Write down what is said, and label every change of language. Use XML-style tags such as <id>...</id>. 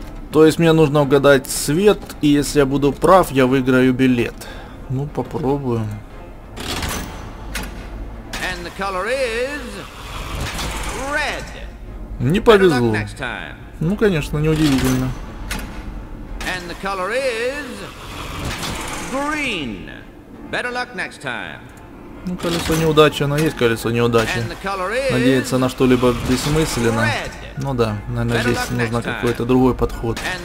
<ru>То есть мне нужно угадать цвет, и если я буду прав, я выиграю билет. Ну, попробую.</ru> <en>And the color is red.</en> <ru>Не повезло. Ну, конечно, неудивительно.</ru> <en>And the color is green. Better luck next time.</en> <ru>Ну, колесо неудачи, оно есть колесо неудачи. Надеяться на что-либо бессмысленно. Ну да, наверное, здесь нужно какой-то другой подход.</ru>